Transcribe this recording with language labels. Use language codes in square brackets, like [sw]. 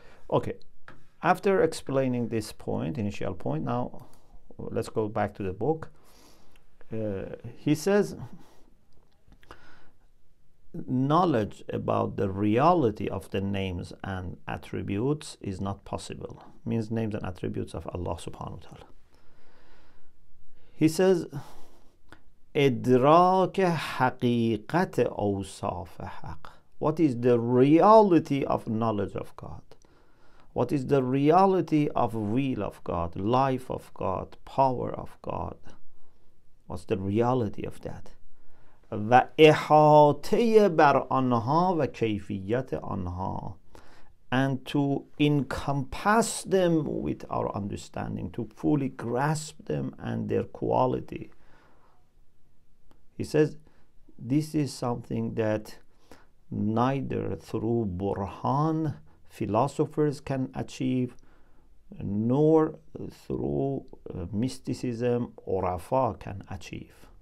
[en] Okay, after explaining this point, initial point, now let's go back to the book. He says knowledge about the reality of the names and attributes is not possible. Means names and attributes of Allah subhanahu wa ta'ala. He says [ar] إدراك حقيقة أوصاف حق. [en] What is the reality of knowledge of God? What is the reality of will of God, life of God, power of God? What's the reality of that? [fa] و احاطه بر آنها و کیفیت آنها. [en] And to encompass them with our understanding, to fully grasp them and their quality. He says, this is something that neither through Burhan philosophers can achieve, nor through mysticism Urafa can achieve.